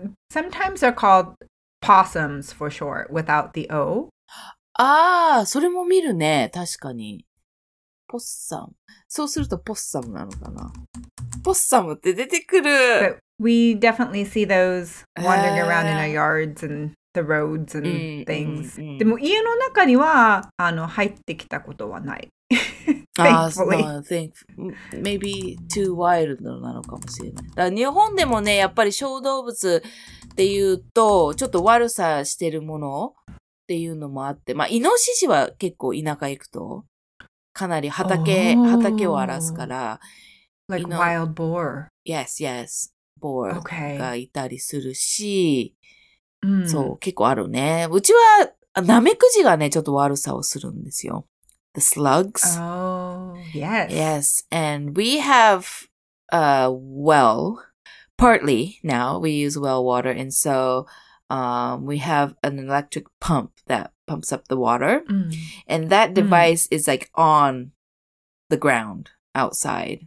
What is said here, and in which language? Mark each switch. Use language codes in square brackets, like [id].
[en] Sometimes they're called possums for short, without the O. [ja] Ah, それも見るね、確かに。 Possum. そうすると possum なのかな。Possum って出てくる。 [en] We definitely see those wandering around in our yards and the roads and things. [ja] でも家の中にはあの入ってきたことはない。 [en] Thankfully. No, I think maybe too wild [ja] なのかもしれない。だから日本でもね、やっぱり小動物っていうと、ちょっと悪さしてるものっていうのもあって、まあ、イノシシは結構田舎行くと、かなり畑を荒らすから。 [en] Like wild boar. Yes, yes. [ja] ボールがいたりするし、 [en] okay. mm. [ja] そう、結構あるね。うちは、ナメクジがね、ちょっと悪さをするんですよ。 [en] The slugs. Oh, yes. Yes, and we have a well, partly now, we use well water, and so we have an electric pump that pumps up the water,、 mm. and that device、mm. is like on the ground outside,、